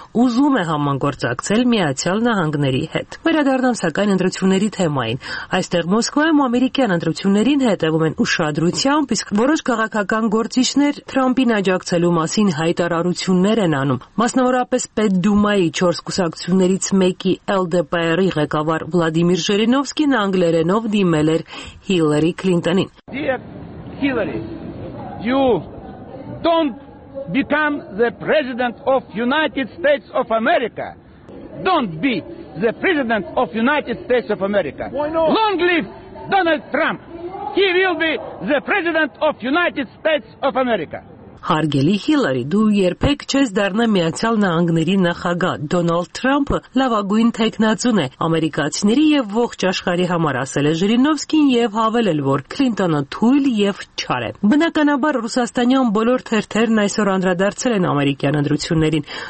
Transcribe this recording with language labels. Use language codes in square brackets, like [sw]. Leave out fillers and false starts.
[hy] ուզում է համագործակցել Միացյալ Նահանգների հետ։ Վերադառնամ սակայն ընտրությունների թեմային։ Այստեղ Մոսկվայում ամերիկյան ընտրություններին հետևում են ուշադրությամբ, իսկ որոշ քաղաքական գործիչներ Թրամփին աջակցելու մասին հայտարարություններ են անում։ Մասնավորապես Պետդումայի 4 կուսակցություններից մեկի LDPR-ի ղեկավար Վլադիմիր Ժերինովսկին անգլերենով դիմել էր Հիլարի Քլինտոնին։ [en] You don't become the president of United States of America. Don't be the president of United States of America. Why not? Long live Donald Trump. He will be the president of United States of America. [hy] Հարգելի Հիլարի, դու երբեք չես դառնա Միացյալ Նահանգների նախագահ։ Դոնալդ Թրամփը լավագույն թեկնածուն է ամերիկացիների եւ ողջ աշխարհի համար, ասել է Ժիրինովսկին եւ հավելել, որ Քլինտոնը թույլ եւ չար է։ Բնականաբար ռուսաստանյան բոլոր թերթերն այսօր անդրադարձել են ամերիկյան ընտրություններին։